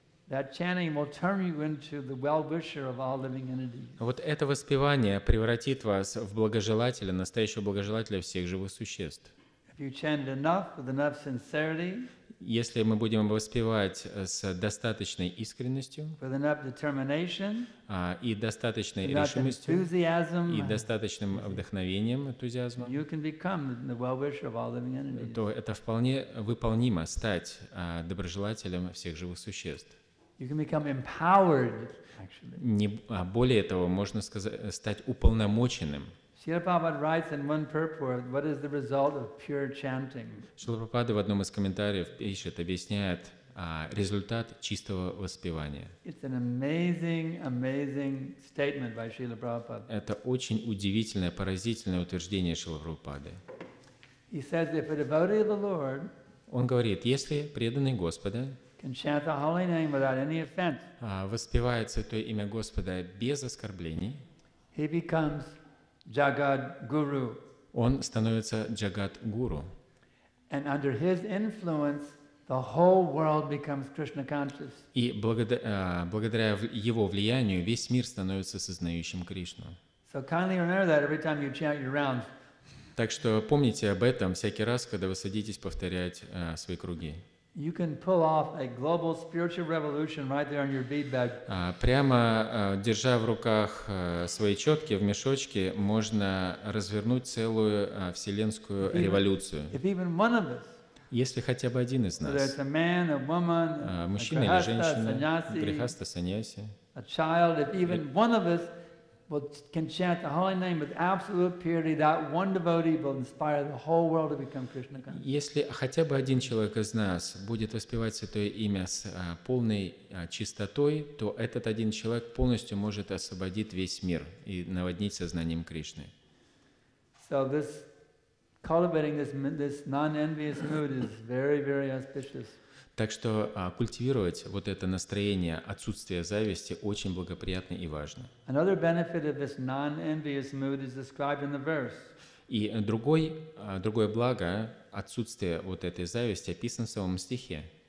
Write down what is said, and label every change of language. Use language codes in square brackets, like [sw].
[en] That chanting will turn you into the well-wisher of all living entities. [ru] Вот это воспевание превратит вас в благожелателя, настоящего благожелателя всех живых существ. [en] If you chant enough with enough sincerity, [ru] если мы будем воспевать с достаточной искренностью, [en] with enough determination, [ru] и достаточной решимостью, и достаточным вдохновением, энтузиазмом, [en] you can become the well-wisher of all living entities. [ru] То это вполне выполнимо стать доброжелателем всех живых существ. [en] You can become empowered, actually. [ru] Не более того, можно сказать, стать уполномоченным. [en] Srila Prabhupada writes in one purport, what is the result of pure chanting? [ru] Srila Prabhupada в одном из комментариев пишет, объясняет результат чистого воспевания. [en] It's an amazing, amazing statement by Srila Prabhupada. [ru] Это очень удивительное, поразительное утверждение Шрилы Прабхупады. [en] He says, if a devotee of the Lord, [ru] он говорит, если преданный Господа, [en] can chant the holy name without any offense, [ru] воспевает святое имя Господа без оскорблений, [en] he becomes Jagat Guru. [ru] Он становится Jagat Guru. [en] And under his influence, the whole world becomes Krishna conscious. [ru] И благодаря его влиянию весь мир становится сознающим Кришну. [en] So kindly remember that every time you chant your rounds. [ru] Так что помните об этом всякий раз, когда вы садитесь повторять свои круги. [en] You can pull off a global spiritual revolution right there on your bead bag. [ru] Прямо держа в руках свои четки в мешочке, можно развернуть целую вселенскую революцию. [en] If even one of us, [ru] если хотя бы один из нас, [en] whether it's a man, a woman, [ru] мужчина или женщина, грехаста, саньяси, [en] a child, if even one of us can chant the holy name with absolute purity, that one devotee will inspire the whole world to become Krishna conscious. [ru] Если хотя бы один человек из нас будет воспевать святое имя с полной чистотой, то этот один человек полностью может освободить весь мир и наводнить сознанием Кришны. [en] So this cultivating this non-envious mood is very, very auspicious. [ru] Так что культивировать вот это настроение отсутствия зависти очень благоприятно и важно. [en] Another benefit of this non-envious mood is described in the verse. [ru] И другое благо отсутствия вот этой зависти описано в самом стихе.